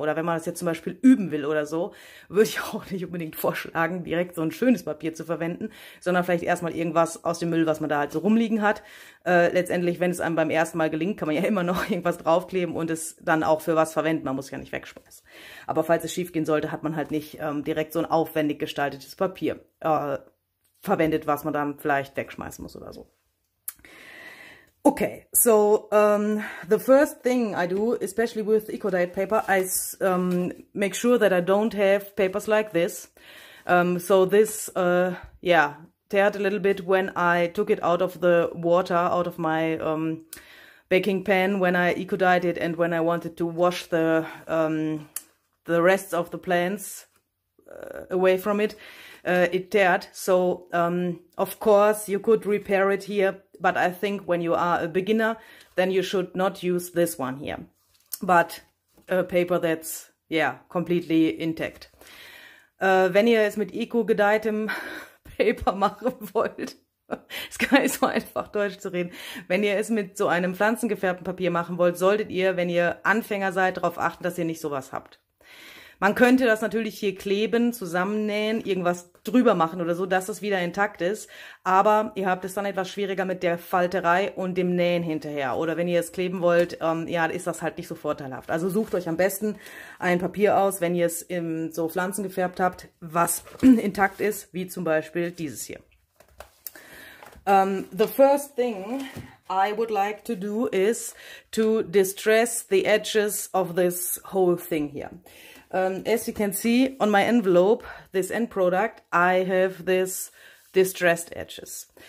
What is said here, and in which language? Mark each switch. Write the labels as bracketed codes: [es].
[de] Oder wenn man das jetzt zum Beispiel üben will oder so, würde ich auch nicht unbedingt vorschlagen, direkt so ein schönes Papier zu verwenden, sondern vielleicht erstmal irgendwas aus dem Müll, was man da halt so rumliegen hat. Letztendlich, wenn es einem beim ersten Mal gelingt, kann man ja immer noch irgendwas draufkleben und es dann auch für was verwenden. Man muss ja nicht wegschmeißen. Aber falls es schief gehen sollte, hat man halt nicht direkt so ein aufwendig gestaltetes Papier verwendet, was man dann vielleicht wegschmeißen muss oder so. [en] Okay, so the first thing I do, especially with eco-dyed paper, I make sure that I don't have papers like this. So this, teared a little bit when I took it out of the water, out of my baking pan, when I eco-dyed it and when I wanted to wash the rest of the plants away from it. It teared, so of course you could repair it here, but I think when you are a beginner, then you should not use this one here, but a paper that's completely intact. [de] Wenn ihr es mit eco-gedeihtem Paper machen wollt, ist gar nicht so einfach Deutsch zu reden, wenn ihr es mit so einem pflanzengefärbten Papier machen wollt, solltet ihr, wenn ihr Anfänger seid, darauf achten, dass ihr nicht sowas habt. Man könnte das natürlich hier kleben, zusammennähen, irgendwas drüber machen oder so, dass es wieder intakt ist. Aber ihr habt es dann etwas schwieriger mit der Falterei und dem Nähen hinterher. Oder wenn ihr es kleben wollt, ist das halt nicht so vorteilhaft. Also sucht euch am besten ein Papier aus, wenn ihr es so Pflanzen gefärbt habt, was intakt ist, wie zum Beispiel dieses hier. [en] The first thing I would like to do is to distress the edges of this whole thing here. As you can see on my envelope, this end product, I have this distressed edges.